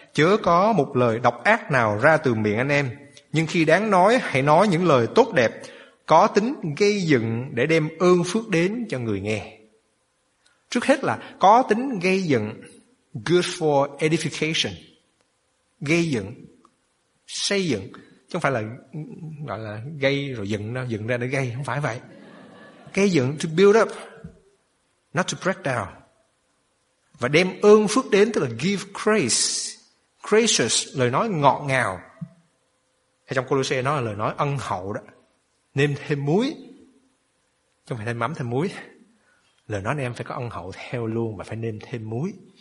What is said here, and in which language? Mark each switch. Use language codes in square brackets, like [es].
[vi] Chớ có một lời độc ác nào ra từ miệng anh em, nhưng khi đáng nói hãy nói những lời tốt đẹp, có tính gây dựng để đem ơn phước đến cho người nghe. Trước hết là có tính gây dựng, [en] good for edification, [vi] gây dựng, xây dựng, chứ không phải là gọi là gây rồi dựng, nó dựng ra để gây, không phải vậy. [en] Gây dựng, to build up, not to break down. [vi] Và đem ơn phước đến, tức là [en] give grace, [vi] gracious, lời nói ngọt ngào. Hay trong Colossae nó là lời nói ân hậu đó. Nêm thêm muối, chứ không phải thêm mắm, thêm muối. Lời nói này em phải có ân hậu theo luôn, mà phải nêm thêm muối.